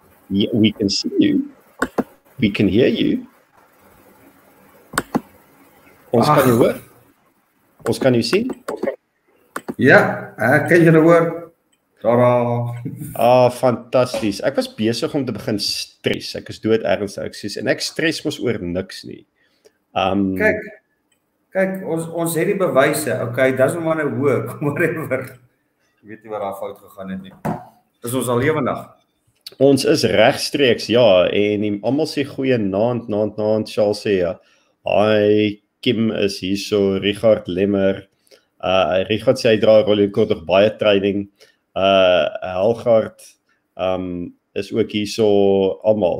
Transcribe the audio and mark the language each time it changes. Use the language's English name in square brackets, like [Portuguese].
[English] Yeah, we can see you. We can hear you. What's going to work? What's going to see? [Afrikaans] Ja, ek kan julle hoor. Tada. Ah, fantasties. Ek was besig om te begin stres. Ek is dood ernstig, ek sies, en ek stres mos oor niks nie. Kyk. Kyk, ons het die bewyse. [English] Okay, doesn't want to work, whatever. [Afrikaans] Ek weet nie wat daar fout gegaan het nie. Is ons al lewendig? Ons is regstreeks, ja, en almal sê goeienaand, naand, naand, Charles sê ja. Hi, Kim is hier so, Richard Lemmer. Richard sê hy dra rolkoer tog baie training. Helgard is ook hier so almal.